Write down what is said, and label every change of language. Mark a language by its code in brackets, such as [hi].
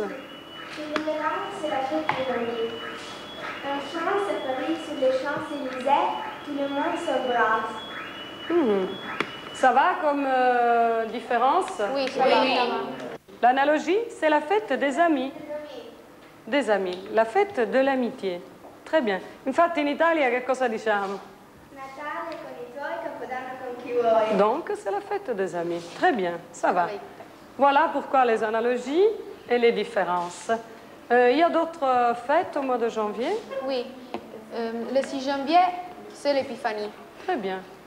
[fr] Le Nouvel An, c'est la fête de janvier. Un chant se produit sur les Champs-Élysées, tout le monde se brasse. Ça va comme différence? Oui, ça va. Oui. L'analogie, c'est la fête des amis. Des amis. La fête de l'amitié. Très bien. [it] Infatti in Italia che cosa diciamo? Natale con i tuoi, Capodanno con chi vuoi. [fr] Donc c'est la fête des amis. Très bien, ça va. Voilà pourquoi les analogies et les différences. Il y a d'autres fêtes au mois de janvier? Oui. Le 6 janvier, c'est l'Épiphanie. Très bien.